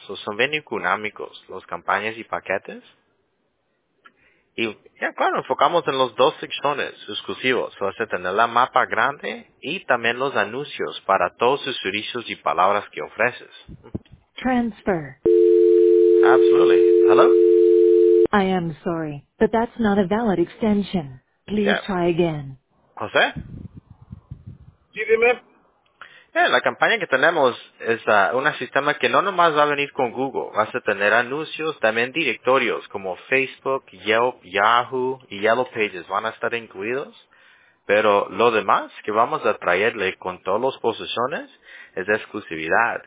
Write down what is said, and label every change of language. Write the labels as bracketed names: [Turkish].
[Spanish] So son bien económicos las campañas y paquetes. Y, yeah, claro, enfocamos en los dos secciones exclusivos. Vas a tener la mapa grande y también los anuncios para todos sus servicios y palabras que ofreces. [English] Transfer. Absolutely. Hello? I am sorry, but that's not a valid extension. Please try again. [Spanish] José? Sí, dime. Yeah, la campaña que tenemos es un sistema que no nomás va a venir con Google. Vas a tener anuncios, también directorios como Facebook, Yelp, Yahoo y Yellow Pages van a estar incluidos. Pero lo demás que vamos a traerle con todas las posiciones es de exclusividad.